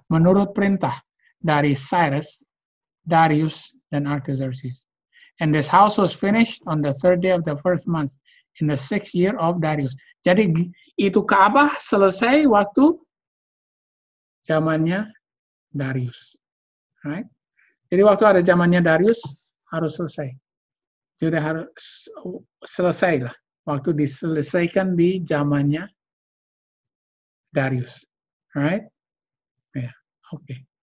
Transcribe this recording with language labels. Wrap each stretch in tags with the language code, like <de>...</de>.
<id>Menurut perintah dari Cyrus, Darius, dan Artaxerxes.</id> <en>And this house was finished on the third day of the first month in the sixth year of Darius.</en> <id>Jadi itu Ka'bah selesai waktu zamannya Darius. Right? Jadi waktu ada zamannya Darius harus selesai. Jadi harus selesailah waktu diselesaikan di zamannya Darius. Right? Yeah. Okay.</id>